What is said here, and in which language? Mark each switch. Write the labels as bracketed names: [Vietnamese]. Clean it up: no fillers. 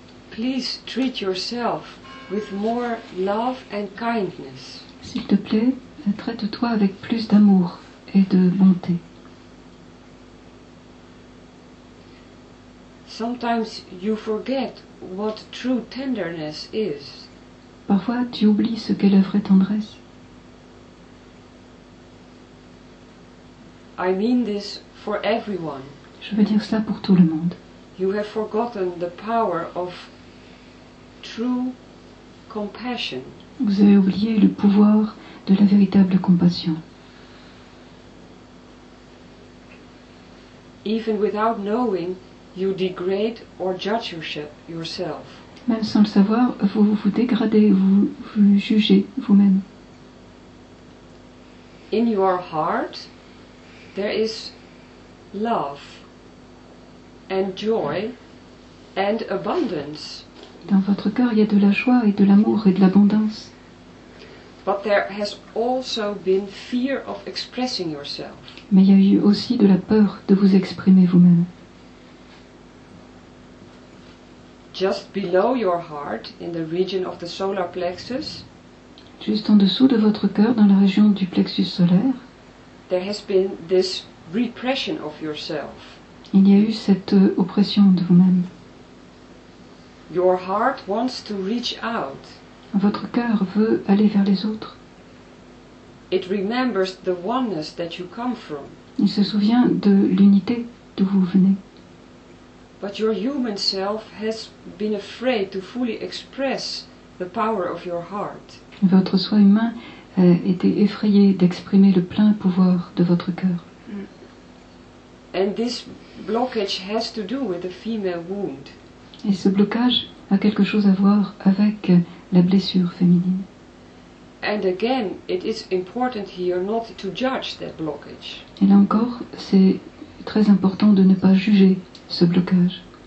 [English] please treat yourself with more love and kindness. [French] S'il te plaît, traite-toi avec plus d'amour et de bonté. [English] Sometimes you forget what true tenderness is. [French] Parfois, tu oublies ce qu'est la vraie tendresse. [English] I mean this for everyone. [French] Je veux dire cela pour tout le monde. [English] You have forgotten the power of true compassion. [French] Vous avez oublié le pouvoir de la véritable compassion. [English] Even without knowing, you degrade or judge yourself. [French] Même sans le savoir, vous dégradez, vous jugez vous-même. [English] In your heart, there is love and joy and abundance. [French] Dans votre cœur, il y a de la joie et de l'amour et de l'abondance. [English] But there has also been fear of expressing yourself. [French] Mais il y a eu aussi de la peur de vous exprimer vous-même. [English] Just below your heart, in the region of the solar plexus. [French] Juste en dessous de votre cœur, dans la région du plexus solaire. [English] There has been this repression of yourself. [French] Il y a eu cette oppression de vous-même. [English] Your heart wants to reach out. [French] Votre cœur veut aller vers les autres. [English] It remembers the oneness that you come from. [French] Il se souvient de l'unité d'où vous venez. [English] But your human self has been afraid to fully express the power of your heart. [French] Votre soi humain a été effrayé d'exprimer le plein pouvoir de votre cœur. [English] And this blockage has to do with the female wound. [French] Et ce blocage a quelque chose à voir avec la blessure féminine. [English] And again, it is important here not to judge that blockage. [French] Et là encore, c'est très important de ne pas juger ce blocage.